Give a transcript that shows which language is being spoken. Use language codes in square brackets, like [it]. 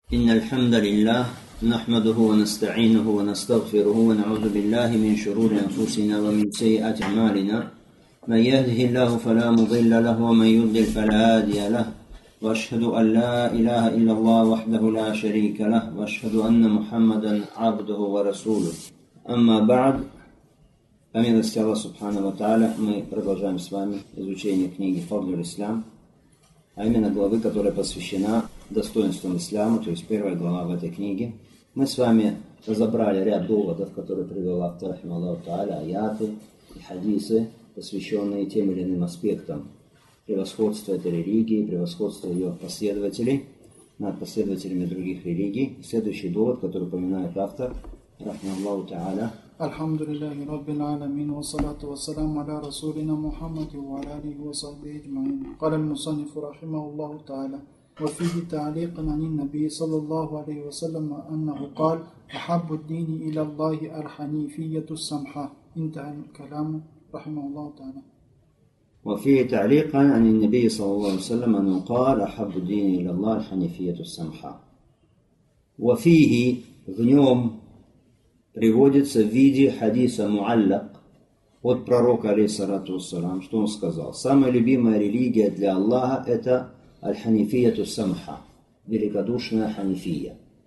[ar] إن الحمد لله نحمده ونستعينه ونستغفره ونعوذ بالله من شرور أنفسنا ومن سيئات أعمالنا، من يهده الله فلا مضل له ومن يضلل فلا هادي له، وأشهد أن لا إله إلا الله وحده لا شريك له، وأشهد أن محمدا عبده ورسوله. أما بعد، فمنذ الله سبحانه وتعالى نتابع مع [ru] вами изучение книги فضل الإسلام، а именно главы, которая посвящена достоинствам ислама, то есть первая глава в этой книге. Мы с вами разобрали ряд доводов, которые привел автор, рахималлаху тааля, аяты и хадисы, посвященные тем или иным аспектам превосходства этой религии, превосходства ее последователей над последователями других религий. Следующий довод, который упоминает автор, рахималлаху тааля. [ar] الحمد لله رب العالمين والصلاة والسلام على رسولنا محمد وعلى آله وصحبه أجمعين. قال المصنف رحمه الله تعالى وفيه تعليقا عن النبي صلى الله عليه وسلم أنه قال أحب الدين إلى الله الحنيفية السمحة. انتهى الكلام رحمه الله تعالى. وفيه تعليقا عن النبي صلى الله عليه وسلم أنه قال أحب الدين إلى الله الحنيفية السمحة. وفيه في نوم [ru] приводится в виде хадиса муаллак от пророка, алейхиссалату вассалям, что он сказал. Самая любимая религия для Аллаха – это аль-ханифиятю самха, великодушная ханифия.